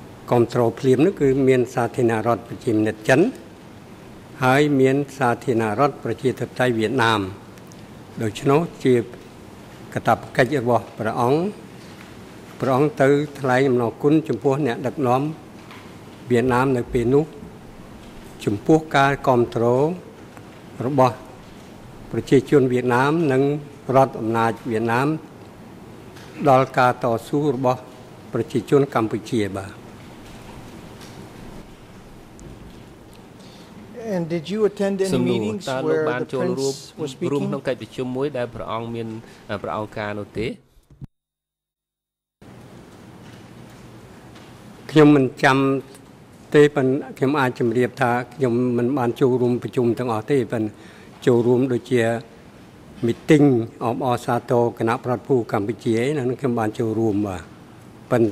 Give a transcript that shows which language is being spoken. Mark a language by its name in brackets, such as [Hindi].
[Khmer] គ្រប់គ្រងភ្លាមនោះគឺមានសាធារណរដ្ឋប្រជាធិបតេយ្យវៀតណាមដូច្នោះជាកាតព្វកិច្ចរបស់ព្រះអង្គព្រះអង្គត្រូវថ្លែងអំណរគុណចំពោះអ្នកដឹកនាំ វៀតណាមនៅពេលនោះ ចំពោះការគាំទ្ររបស់ប្រជាជនវៀតណាមនិងរដ្ឋអំណាចវៀតណាមដល់ការតស៊ូរបស់ប្រជាជនកម្ពុជាបាទ [English] And did you attend any meetings where the prince was speaking? [Khmer] រួមក្នុងកិច្ចប្រជុំមួយដែលព្រះអង្គមានប្រអង្គការនោះទេ ខ្ញុំមិនចាំ ទេប៉ុន្តែខ្ញុំអាចជម្រាបថាខ្ញុំមិនបានចូលរួមប្រជុំទាំងអស់ទេប៉ុន្តែចូលរួមដូចជាមីតិងអបអរសាទរគណៈប្រតិភូកម្ពុជាហ្នឹងខ្ញុំបានចូលរួមបាទ